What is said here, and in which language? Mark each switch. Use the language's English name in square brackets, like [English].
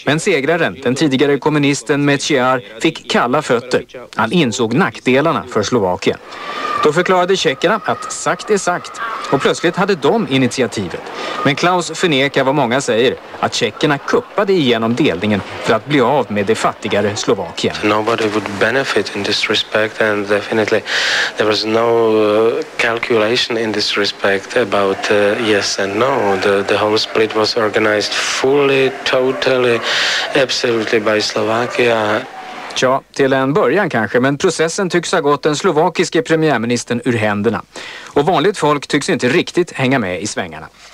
[Swedish] Men segraren, den tidigare kommunisten Mečiar, fick kalla fötter. Han insåg nackdelarna för Slovakien. Då förklarade tjeckerna att sagt är sagt. Och plötsligt hade de initiativet. Men Klaus förnekar vad många säger, att tjeckerna kuppade igenom delningen för att bli av med det fattigare Slovakien. [English] Nobody would benefit in this respect, and definitely there was no calculation in this respect about yes and no. The whole split was organized fully, totally, absolutely by Slovakia. [Swedish] Ja, till en början kanske, men processen tycks ha gått den slovakiske premiärministern ur händerna. Och vanligt folk tycks inte riktigt hänga med i svängarna.